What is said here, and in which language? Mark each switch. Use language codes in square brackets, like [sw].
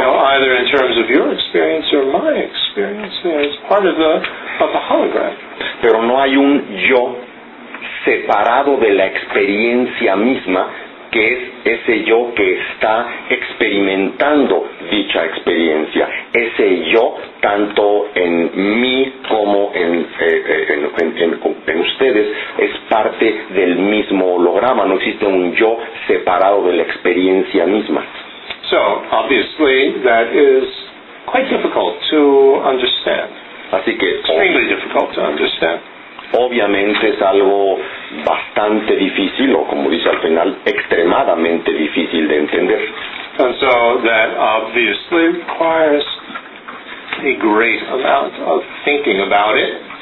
[en] you know, either in terms of your experience or my experience, you know, it's part of the hologram. [es] Pero no hay un yo separado de la experiencia misma, que es ese yo que está experimentando dicha experiencia. Ese yo, tanto en mí como en ustedes, es parte del mismo holograma. No existe un yo separado de la experiencia misma. [en] So, obviously, that is quite difficult to understand. [es] Así que, [en] extremely difficult to understand. [es] Obviamente es algo bastante difícil, o como dice al final, extremadamente difícil de entender. [en] And so that obviously requires a great amount of thinking about it.